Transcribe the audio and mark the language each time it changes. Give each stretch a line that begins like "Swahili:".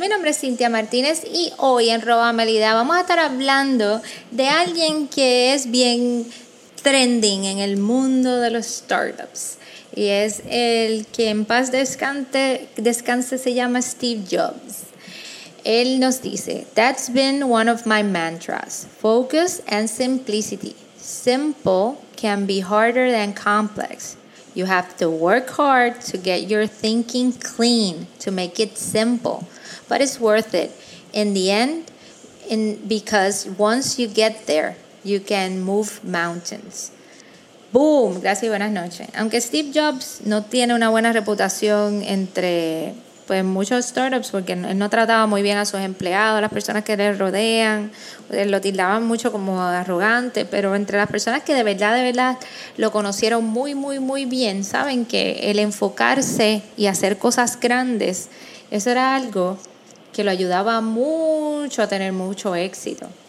Spanish: Mi nombre es Cintia Martínez y hoy en Roba Melida vamos a estar hablando de alguien que es bien trending en el mundo de los startups. Y es el que en paz descanse se llama Steve Jobs.
English: Él nos dice, "That's been one of my mantras, focus and simplicity. Simple can be harder than complex. You have to work hard to get your thinking clean, to make it simple. But it's worth it. In the end, because once you get there, you can move mountains." Boom.
Spanish: Gracias y buenas noches. Aunque Steve Jobs no tiene una buena reputación entre pues muchos startups, porque él no trataba muy bien a sus empleados, las personas que le rodean, lo tildaban mucho como arrogante, pero entre las personas que de verdad lo conocieron muy, muy, muy bien, saben que el enfocarse y hacer cosas grandes, eso era algo que lo ayudaba mucho a tener mucho éxito.